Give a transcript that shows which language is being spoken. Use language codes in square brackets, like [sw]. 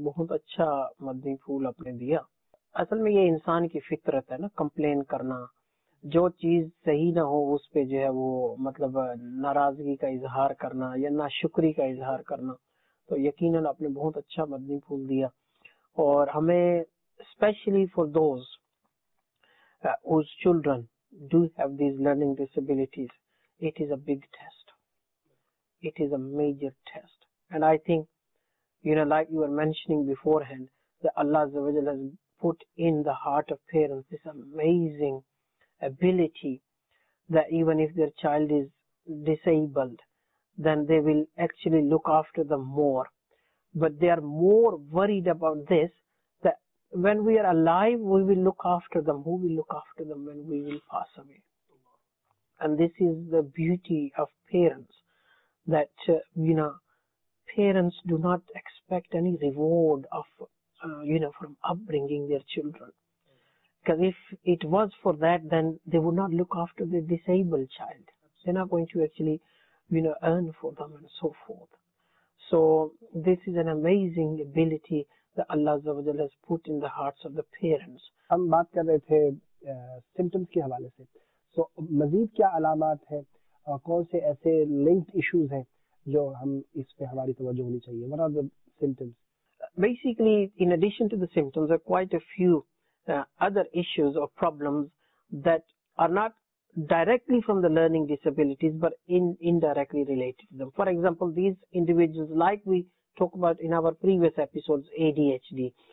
[hi] बहुत अच्छा मदनी फूल आपने दिया. असल में ये इंसान की फितरत है ना, कंप्लेन करना, जो चीज सही ना हो उस पे जो है वो मतलब नाराजगी का इजहार करना या नाशुक्री का इजहार करना. तो यकीनन आपने बहुत अच्छा मदनी फूल दिया. और हमें [en] Specially for those whose children do have these learning disabilities, it is a big test, it is a major test. And I think you know, like you were mentioning beforehand, that Allah has put in the heart of parents this amazing ability that even if their child is disabled, then they will actually look after them more. But they are more worried about this, that when we are alive, we will look after them. Who will look after them when we will pass away? And this is the beauty of parents, that, you know, parents do not expect any reward of, you know, from upbringing their children. Because if it was for that, then they would not look after the disabled child. They're not going to actually, you know, earn for them and so forth. So this is an amazing ability that Allah Azzawajal has put in the hearts of the parents. [hi] हम बात कर रहे थे symptoms के हवाले से. So मज़ीद क्या अलामत हैं? कौन से ऐसे [en] linked issues [hi] हैं जो हम इस पे हमारी तवज्जो होनी चाहिए? [en] What are the symptoms? Basically, in addition to the symptoms, there are quite a few other issues or problems that are not directly from the learning disabilities, but indirectly related to them. For example, these individuals, like we talked about in our previous episodes, ADHD.